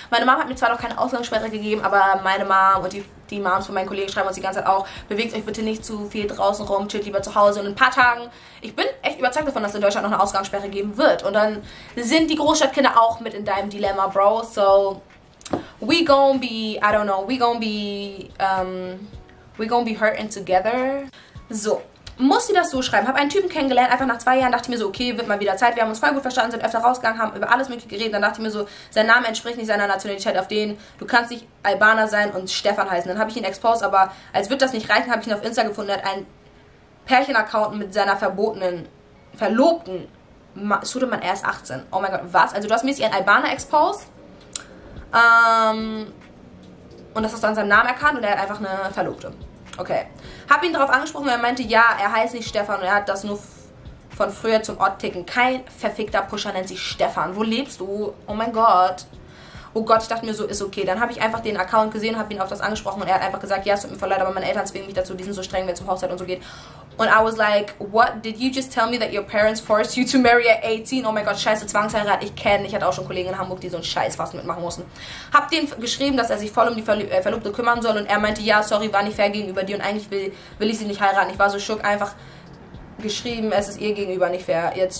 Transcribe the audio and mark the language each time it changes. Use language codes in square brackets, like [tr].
[de] Meine Mom hat mir zwar noch keine Ausgangssperre gegeben, aber meine Mom und die Moms von meinen Kollegen schreiben uns die ganze Zeit auch, bewegt euch bitte nicht zu viel draußen rum, chillt lieber zu Hause. Und in ein paar Tagen, ich bin echt überzeugt davon, dass in Deutschland noch eine Ausgangssperre geben wird. Und dann sind die Großstadtkinder auch mit in deinem Dilemma, Bro, so... [en] We gon' be, I don't know, we gon' be hurting together. [de] So, muss sie das so schreiben? Hab einen Typen kennengelernt, einfach nach 2 Jahren dachte ich mir so, okay, wird mal wieder Zeit. Wir haben uns voll gut verstanden, sind öfter rausgegangen, haben über alles mögliche geredet. Dann dachte ich mir so, sein Name entspricht nicht seiner Nationalität, auf den du kannst nicht Albaner sein und Stefan heißen. Dann habe ich ihn exposed, aber als wird das nicht reichen, habe ich ihn auf Insta gefunden. Er hat einen Pärchen-Account mit seiner verbotenen, verlobten, Sudemann, er ist 18. Oh mein Gott, was? Also du hast mäßig einen Albaner exposed? Und das hast du an seinem Namen erkannt und er hat einfach eine Verlobte. Okay. Hab ihn darauf angesprochen und er meinte, ja, er heißt nicht Stefan und er hat das nur von früher zum Ort ticken. Kein verfickter Pusher nennt sich Stefan. Wo lebst du? Oh mein Gott. Oh Gott, ich dachte mir so, ist okay. Dann habe ich einfach den Account gesehen, habe ihn auf das angesprochen und er hat einfach gesagt, ja, es tut mir voll leid, aber meine Eltern zwingen mich dazu, die sind so streng, wenn es um Hochzeit und so geht. [en] Und I was like, what, did you just tell me that your parents forced you to marry at 18? [de] Oh mein Gott, scheiße, Zwangsheirat, ich kenne, ich hatte auch schon Kollegen in Hamburg, die so ein Scheißfass mitmachen mussten. Hab den geschrieben, dass er sich voll um die Verlobte kümmern soll und er meinte, ja, sorry, war nicht fair gegenüber dir und eigentlich will ich sie nicht heiraten. Ich war so schock, einfach geschrieben, es ist ihr gegenüber nicht fair.